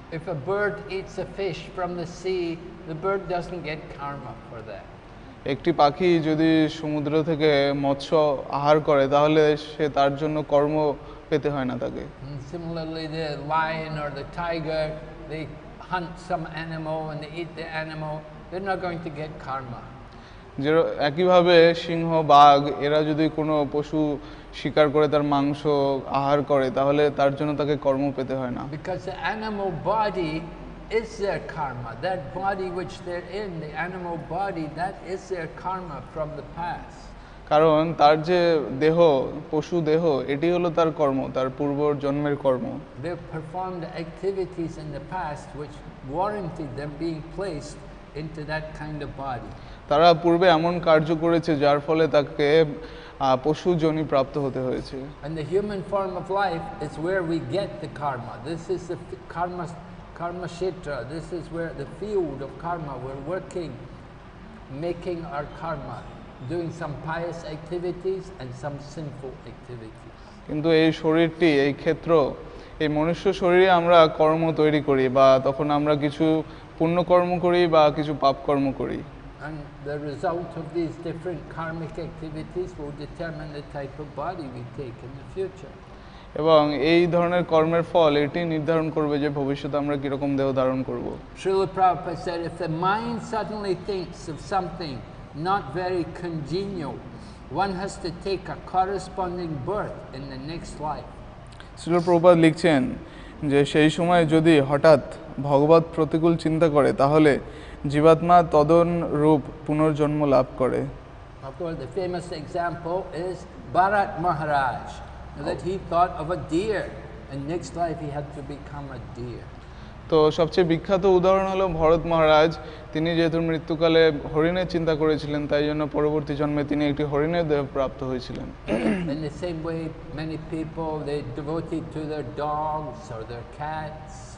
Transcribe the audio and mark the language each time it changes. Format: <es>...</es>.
<en>If a bird eats a fish from the sea, the bird doesn't get karma for that.</en> <bn>একটি পাখি যদি সমুদ্র থেকে মৎস্য আহার করে তাহলে সে তার জন্য কর্ম পেতে হয় না তাকে।</bn> <en>Similarly, the lion or the tiger, they hunt some animal and they eat the animal, they're not going to get karma.</en> <bn>একইভাবে সিংহ, বাঘ এরা যদি কোনো পশু শিকার করে তার মাংস আহার করে তাহলে তার জন্য তাকে কর্ম পেতে হয় না।</bn> <en>Because the animal body is their karma. That body which they're in, the animal body, that is their karma from the past.</en> <bn>কারণ তার যে দেহ, পশু দেহ, এটি হলো তার কর্ম, তার পূর্ব জন্মের কর্ম।</bn> <en>They performed activities in the past which warranted them being placed into that kind of body.</en> <bn>তারা পূর্বে এমন কার্য করেছে যার ফলে তাকে পশু যোনি প্রাপ্ত হতে হয়েছে।</bn> <en>And the human form of life is where we get the karma. This is the karma, karma kshetra. This is where the field of karma, we're working, making our karma, doing some pious activities and some sinful activities.</en> <bn>কিন্তু এই শরীরটি, এই ক্ষেত্র, এই মনুষ্য শরীরে আমরা কর্ম তৈরি করি বা তখন আমরা কিছু পুণ্য কর্ম করি বা কিছু পাপ কর্ম করি।</bn> <en>And the result of these different karmic activities will determine the type of body we take in the future.</en> <bn>এবং এই ধরনের কর্মের ফল এটি নির্ধারণ করবে যে ভবিষ্যতে আমরা কিরকম দেহ ধারণ করব।</bn> <en>Srila Prabhupada said, if the mind suddenly thinks of something not very congenial, one has to take a corresponding birth in the next life.</en> <bn>Srila Prabhupada লিখছেন যে সেই সময় যদি হঠাৎ ভগবত প্রতিকূল চিন্তা করে তাহলে জীবাত্মা তদন রূপ পুনর্জন্ম লাভ করে।</bn> <en>Of course, the famous example is Bharat Maharaj, that he thought of a deer, and next life he had to become a deer.</en> <bn>তো সবচেয়ে বিখ্যাত উদাহরণ হলো ভরত মহারাজ, তিনি যেহেতু মৃত্যুকালে হরিণের চিন্তা করেছিলেন তাই জন্য পরবর্তী জন্মে তিনি একটি হরিণের দেহ প্রাপ্ত হয়েছিলেন।</bn> <en>In the same way, many people, they're devoted to their dogs or their cats.</en>